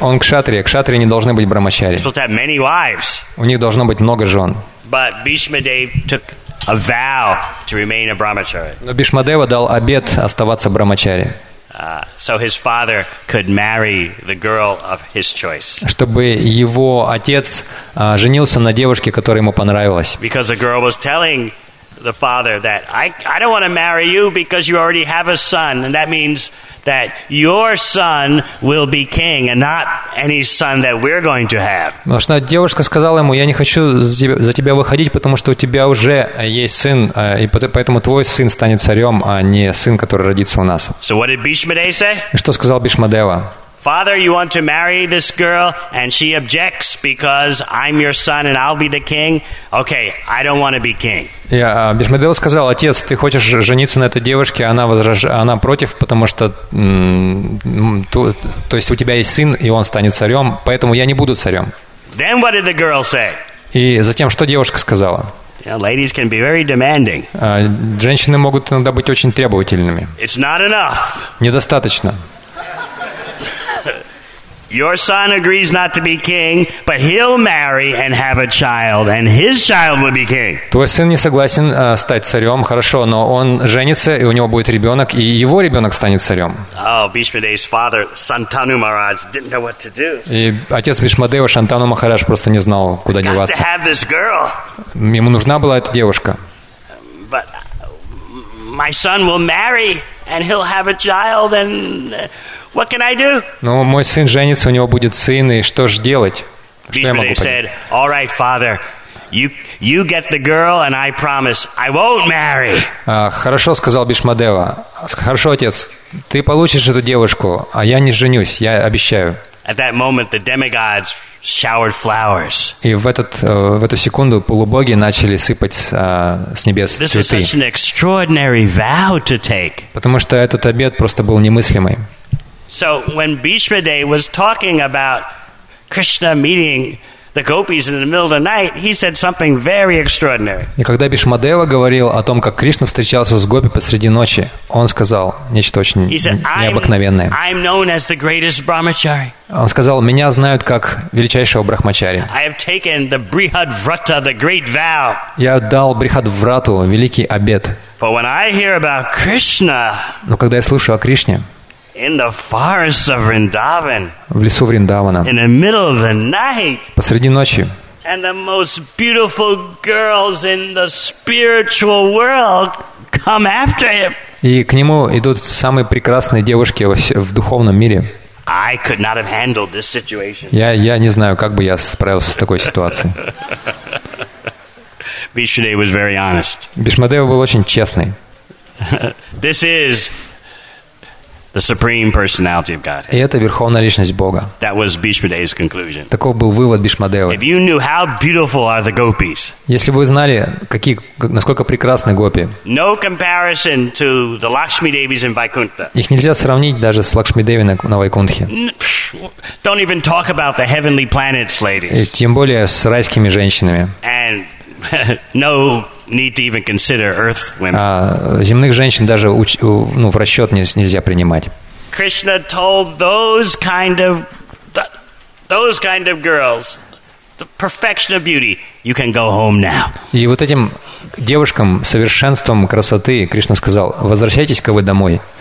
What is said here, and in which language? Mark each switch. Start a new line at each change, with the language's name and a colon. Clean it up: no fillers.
Russian: Он кшатрия. Кшатрии не должны быть брахмачари.
English: They're supposed to have many wives.
Russian: У них должно быть много жен.
English: But Bhishma Dev took a vow to remain a brahmachari.
Russian: Но Бишмадева дал обет оставаться брахмачари.
English: So his father could marry the girl of his choice.
Russian: Чтобы его отец женился на девушке, которая ему понравилась.
English: Because the girl was telling the father that I don't want to marry you because you already have a son, and that means that your son will be king and not any son that we're going to have.
Russian: Потому что девушка сказала ему, я не хочу за тебя выходить, потому что у тебя уже есть сын, и поэтому твой сын станет царем, а не сын, который родится у нас.
English: So what did Bhishma Dev say?
Russian: Что сказал Бишмадева?
English: Father, you want to marry this girl, and she objects because I'm your son and I'll be the king. Okay, I don't want to be king.
Russian: Бишмадева сказал, отец, ты хочешь жениться на этой девушке, она против, потому что, то есть у тебя есть сын, и он станет царем, поэтому я не буду царем.
English: Then what did the girl say?
Russian: И затем что девушка сказала?
English: Ladies can be very demanding.
Russian: Женщины могут иногда быть очень требовательными.
English: It's not enough.
Russian: Недостаточно.
English: Your son agrees not to be king, but he'll marry and have a child, and his child will be king.
Russian: Твой сын не согласен стать царем, хорошо, но он женится, и у него будет ребенок, и его ребенок станет царем.
English: Oh, Bhishma Dev's father, Santanu Maharaj, didn't know what to do.
Russian: И отец Бишмадева, Шантану Махарадж, просто не знал, куда деваться.
English: Got to have this girl.
Russian: Ему нужна была эта девушка.
English: But my son will marry, and he'll have a child, and... What can I do?
Russian: Ну, мой сын женится, у него будет сын, и что же делать?
English: Bhishma Dev said, "All right, father, you get the girl, and I promise I won't marry."
Russian: Хорошо, сказал Бишма Дева. Хорошо, отец, ты получишь эту девушку, а я не женюсь, я обещаю.
English: At that moment, the demigods showered flowers.
Russian: И в эту секунду полубоги начали сыпать с небес цветы.
English: This was such an extraordinary vow to take.
Russian: Потому что этот обет просто был немыслимый.
English: So when Bhishma Dev was talking about Krishna meeting the gopis in the middle of the night, he said something very extraordinary.
Russian: И когда Бишма Дева говорил о том, как Кришна встречался с гопи посреди ночи, он сказал нечто очень необыкновенное.
English: I'm known as the greatest brahmachari.
Russian: Он сказал: меня знают как величайшего брахмачари.
English: I have taken the brihadvrata, the great vow.
Russian: Я дал брихадврату, великий обет.
English: But when I hear about Krishna,
Russian: но когда я слушаю о Кришне,
English: in the forest of Vrindavan,
Russian: в лесу Вриндавана,
English: in the middle of the night,
Russian: посреди ночи,
English: and the most beautiful girls in the spiritual world come after him,
Russian: и к нему идут самые прекрасные девушки в духовном мире.
English: I could not have handled this situation.
Russian: Я не знаю, как бы я справился с такой ситуацией.
English: Bhishma Dev was very honest.
Russian: Бишма Дева был очень честный.
English: This is the supreme personality of God.
Russian: И это верховная личность Бога.
English: That was Bhishma Dev's conclusion.
Russian: Таков был вывод Бишма Девы.
English: If you knew how beautiful are the gopis.
Russian: Если бы вы знали, насколько прекрасны гопи.
English: No comparison to the Lakshmi Devis in Vaikuntha.
Russian: Их нельзя сравнить даже с Лакшми Деви на Вайкунтхе.
English: Don't even talk about the heavenly planets, ladies.
Russian: И тем более с райскими женщинами.
English: And no need to even consider earth women.
Russian: Земных женщин даже в расчет нельзя принимать.
English: Krishna told those kind of girls the perfection of beauty. You can go home now.
Russian: И вот этим девушкам совершенством красоты Кришна сказал: возвращайтесь-ка вы домой.